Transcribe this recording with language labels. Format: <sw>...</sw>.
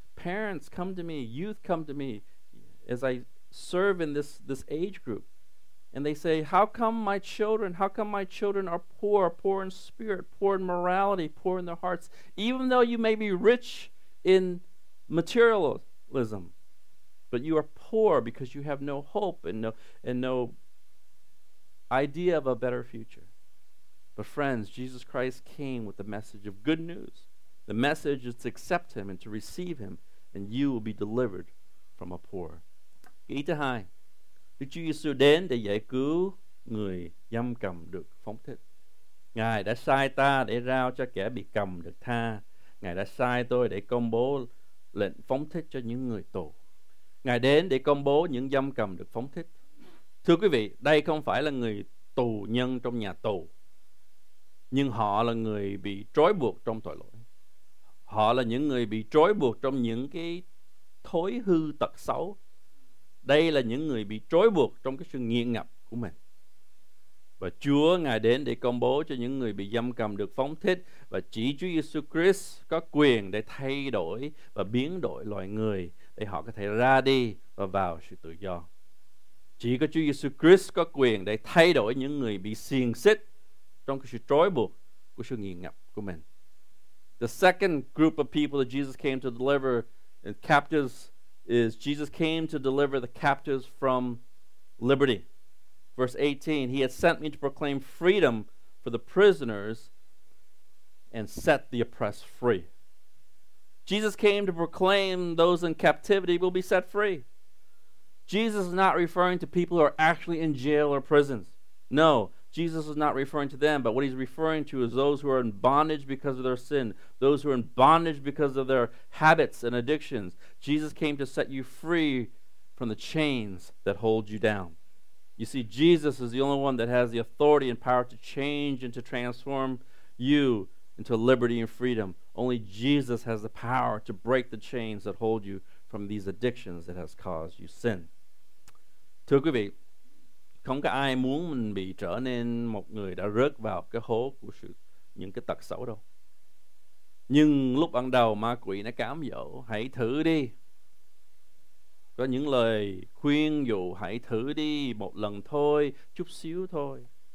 <en>Parents come to me, youth come to me as I serve in this age group, and they say, how come my children are poor in spirit, poor in morality, poor in their hearts, even though you may be rich in materialism, but you are poor because you have no hope and no idea of a better future. But friends, Jesus Christ came with the message of good news. The message is to accept Him and to receive Him, and you will be delivered from a poor.</en> <vi>Ý thứ hai, Đức Chúa Giêsu đến để giải cứu người giam cầm được phóng thích. Ngài đã sai ta để rao cho kẻ bị cầm được tha. Ngài đã sai tôi để công bố lệnh phóng thích cho những người tù. Ngài đến để công bố những giam cầm được phóng thích. Thưa quý vị, đây không phải là người tù nhân trong nhà tù, nhưng họ là người bị trói buộc trong tội lỗi. Họ là những người bị trói buộc trong những cái thói hư tật xấu. Đây là những người bị trói buộc trong cái sự nghiện ngập của mình. Và Chúa Ngài đến để công bố cho những người bị giam cầm được phóng thích, và chỉ Chúa Jesus Christ có quyền để thay đổi và biến đổi loài người để họ có thể ra đi và vào sự tự do. Chỉ có Chúa Jesus Christ có quyền để thay đổi những người bị xiềng xích trong cái sự trói buộc của sự nghiện ngập của mình.</vi> <en>The second group of people that Jesus came to deliver and captives is Jesus came to deliver the captives from liberty. Verse 18, He has sent me to proclaim freedom for the prisoners and set the oppressed free. Jesus came to proclaim those in captivity will be set free. Jesus is not referring to people who are actually in jail or prisons. No. Jesus is not referring to them, but what He's referring to is those who are in bondage because of their sin, those who are in bondage because of their habits and addictions. Jesus came to set you free from the chains that hold you down. You see, Jesus is the only one that has the authority and power to change and to transform you into liberty and freedom. Only Jesus has the power to break the chains that hold you from these addictions that has caused you sin.</en> <vi>Thưa quý vị, không có ai muốn mình bị trở nên một người đã rớt vào cái hố của những cái tật xấu đâu. Nhưng lúc ban đầu ma quỷ nó cám dỗ, hãy thử đi. Có những lời khuyên dụ, hãy thử đi một lần thôi, chút xíu thôi.</vi>